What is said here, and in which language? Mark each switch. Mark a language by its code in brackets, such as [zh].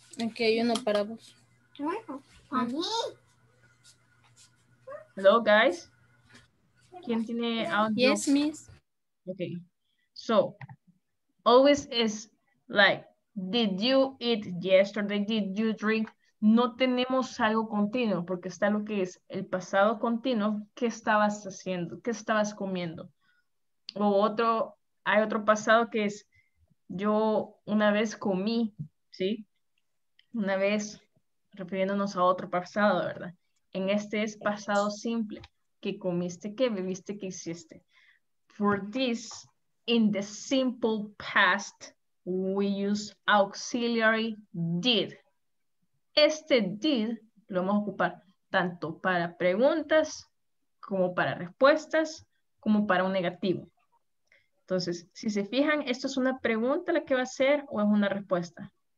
[es] Ok, yo no para vos. [en] Hello, guys. [es] ¿Quién tiene audio? [en] Yes, miss. Okay. So, always is like, did you eat yesterday? Did you drink? [es] No tenemos algo continuo, porque está lo que es el pasado continuo. ¿Qué estabas haciendo? ¿Qué estabas comiendo? O otro, hay otro pasado que es, yo una vez comí, ¿sí? Una vez, refiriéndonos a otro pasado, ¿verdad? En este es pasado simple. ¿Qué comiste? ¿Qué bebiste? ¿Qué hiciste? [en] For this, in the simple past, we use auxiliary did. [es] Este did lo vamos a ocupar tanto para preguntas, como para respuestas, como para un negativo. Entonces, si se fijan, ¿esto es una pregunta la que va a ser o es una respuesta?